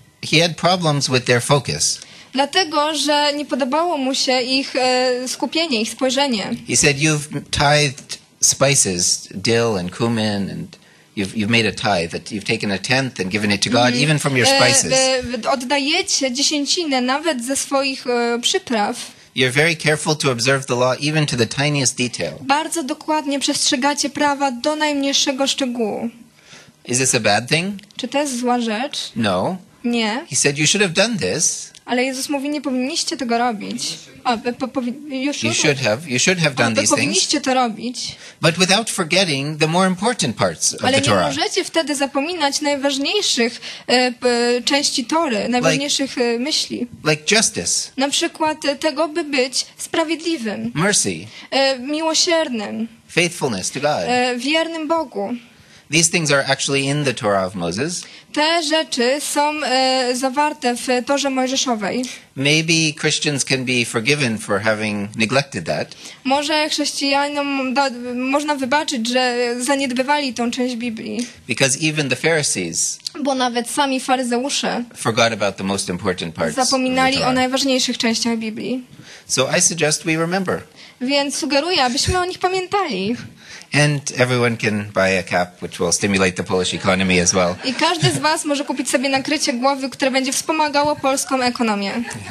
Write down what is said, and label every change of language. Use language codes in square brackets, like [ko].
[en] He had problems with their focus. [pl] Dlatego, że nie podobało mu się ich skupienie, ich spojrzenie. [en] He said, "You've tithed spices, dill and cumin, and you've made a tithe. You've taken a tenth and given it to God, even from your spices." [pl] Oddajecie dziesięcinę nawet ze swoich przypraw. [en] You're very careful to observe the law, even to the tiniest detail. [pl] Bardzo dokładnie przestrzegacie prawa do najmniejszego szczegółu. [en] Is this a bad thing? [pl] Czy to jest zła rzecz? [en] No. [pl] Nie. [en] He said, "You should have done this." [pl] Ale Jezus mówi, nie powinniście tego robić. [en] You should have done these things. [pl] To robić. [en] But without forgetting the more important parts of [pl] Ale [en] the Torah. [pl] Ale nie możecie wtedy zapominać najważniejszych części Tory, najważniejszych like, myśli. [en] Like justice. [pl] Na przykład tego, by być sprawiedliwym. [en] Mercy. [pl] Miłosiernym. [en] Faithfulness to God. [pl] Wiernym Bogu. [en] These things are actually in the Torah of Moses. [pl] Te rzeczy są zawarte w Torze Mojżeszowej. [en] Maybe Christians can be forgiven for having neglected that. [pl] Może chrześcijanom można wybaczyć, że zaniedbywali tą część Biblii. [en] Because even the Pharisees. [pl] Bo nawet sami faryzeusze. [en] Forgot about the most important parts. [pl] Zapominali o najważniejszych częściach Biblii. [en] So I suggest we remember. [pl] Więc sugeruję, abyśmy o nich pamiętali. [en] And everyone can buy a cap, which will stimulate the Polish economy as well. [pl] I każdy z was może kupić sobie nakrycie głowy, które będzie wspomagało polską ekonomię.